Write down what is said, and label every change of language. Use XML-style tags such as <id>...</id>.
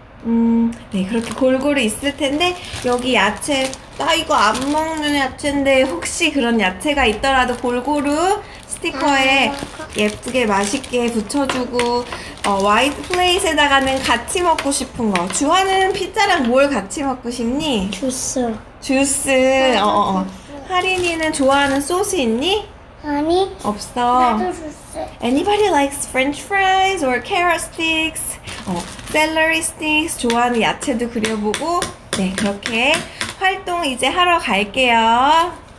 <ko>네, 그렇게 골고루 있을 텐데 여기 야채, 나 이거 안 먹는 야채인데 혹시 그런 야채가 있더라도 골고루 스티커에 예쁘게 맛있게 붙여주고 화이트 플레이스에다가는 같이 먹고 싶은 거. 주아는 피자랑 뭘 같이 먹고 싶니? 주스. 주스. 하린이는 좋아하는 소스 있니? 아니. 없어. 나도 주스.</ko> <en>Anybody likes French fries or carrot sticks? Celery sticks.</en> <ko>좋아하는 야채도 그려보고. 네, 그렇게 활동 이제 하러 갈게요.</ko>